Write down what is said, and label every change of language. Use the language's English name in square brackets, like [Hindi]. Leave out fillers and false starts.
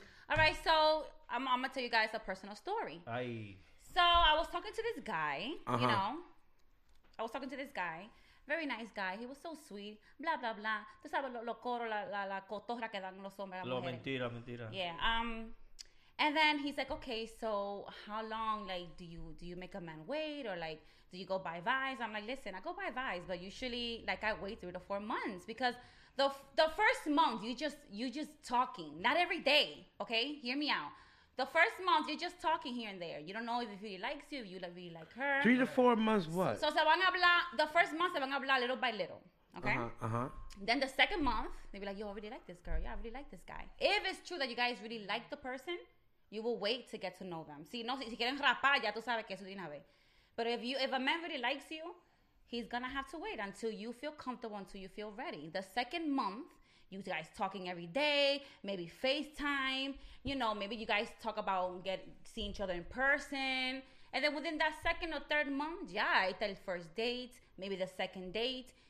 [English] All right, so I'm going to tell you guys a personal story. So I was talking to this guy, Very nice guy. He was so sweet. Blah, blah, blah. [Spanish] Tú sabes lo coro, la cotorra que dan los hombres. Mentira. [English] Yeah. And then he's like, okay, so how long, like, do you make a man wait? Or, like, do you go by vibes? I'm like, listen, I go by vibes. But usually, like, I wait 3 to 4 months. Because the first month, you just talking. Not every day, okay? Hear me out. The first month, you're just talking here and there. You don't know if he likes you, if you really like her. 3 to 4 months, what? [Spanish] So se van a hablar, [English] the first month, [Spanish] se van a hablar [English] little by little, okay? Then the second month, they'll be like, yo, I really like this girl. Yeah, I really like this guy. If it's true that you guys really like the person, you will wait to get to know them. [Spanish] Si no, si quieren rapar, ya tú sabes que eso tiene a ver. [English] But if a man really likes you, he's going to have to wait until you feel comfortable, until you feel ready. The second month, you guys talking every day, maybe FaceTime, you know, maybe you guys talk about seeing each other in person. And then within that second or third month, yeah, it's the first date, maybe the second date.